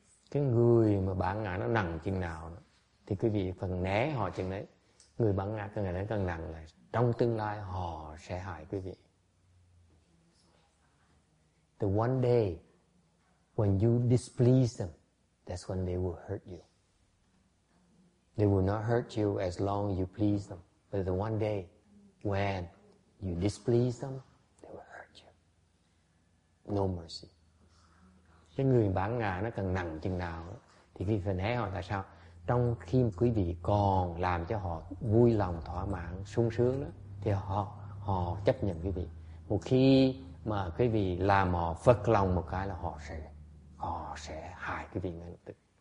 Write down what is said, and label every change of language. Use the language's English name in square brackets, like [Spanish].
[Vietnamese] Cái người mà bản ngã nó nặng chừng nào đó, thì quý vị phần né họ chừng đấy. Người bản ngã càng ngày nó càng nặng là trong tương lai họ sẽ hại quý vị. [English] The one day when you displease them, that's when they will hurt you. They will not hurt you as long as you please them. But the one day when you displease them, they will hurt you. No mercy. [Vietnamese] Cái người bản ngã nó càng nặng chừng nào thì quý vị phải né họ. Tại sao? Trong khi quý vị còn làm cho họ vui lòng, thỏa mãn, sung sướng đó, thì họ chấp nhận quý vị. Một khi mà quý vị làm họ phật lòng một cái là họ sẽ hại quý vị ngay lập tức.